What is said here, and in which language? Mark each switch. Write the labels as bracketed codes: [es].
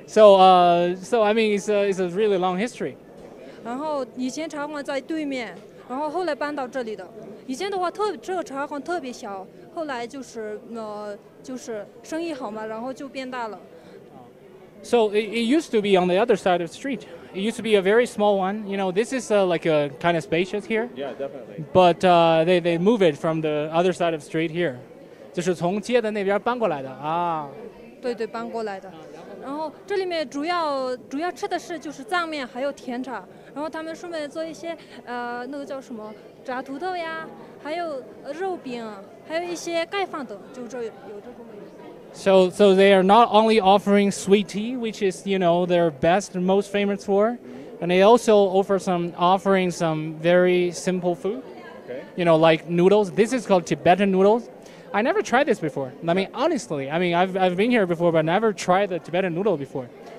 [en] So I mean, it's a really long history. [zh] 然后以前茶馆在对面。然后后来搬到这里的，以前的话这个茶馆特别小，后来就是就是生意好嘛，然后就变大了。 [en] So it used to be on the other side of the street. It used to be a very small one. You know, this is like a kind of spacious here. Yeah, definitely. But they move it from the other side of the street here. [zh] 就是从街的那边搬过来的啊。对对，搬过来的。然后这里面主要吃的是就是藏面还有甜茶。然后他们顺便做一些那个叫什么炸土豆呀，还有肉饼，还有一些盖饭等，就这有这种。 [en] So they are not only offering sweet tea, which is you know their best and most famous for, and they also offering some very simple food. Okay. You know, like noodles. This is called Tibetan noodles. I never tried this before. I mean, honestly, I mean, I've been here before, but never tried the Tibetan noodle before.